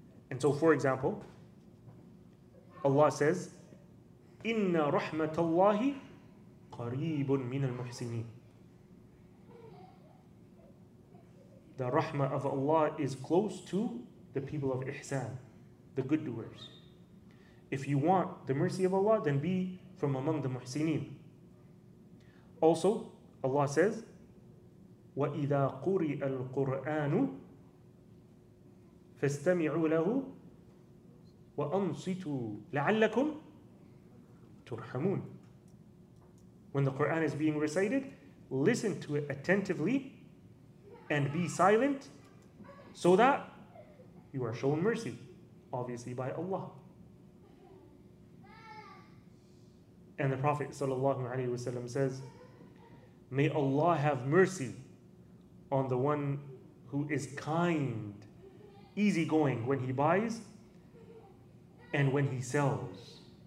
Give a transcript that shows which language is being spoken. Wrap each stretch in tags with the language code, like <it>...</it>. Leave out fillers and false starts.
<en>And so, for example, Allah says,</en> <ar>Inna rahmatallahi qareebun minal muhsineen.</ar> <en>The rahmah of Allah is close to the people of Ihsan, the good doers. If you want the mercy of Allah, then be from among the muhsineen. Also, Allah says,</en> <ar>وَإِذَا قُرِئَ الْقُرْآنُ فَاسْتَمِعُوا لَهُ وَأَنْصِتُوا لَعَلَّكُمْ turhamun.</ar> <en>When the Quran is being recited, listen to it attentively and be silent so that you are shown mercy, obviously by Allah. And the Prophet ﷺ says, may Allah have mercy on the one who is kind, easygoing when he buys and when he sells.</en>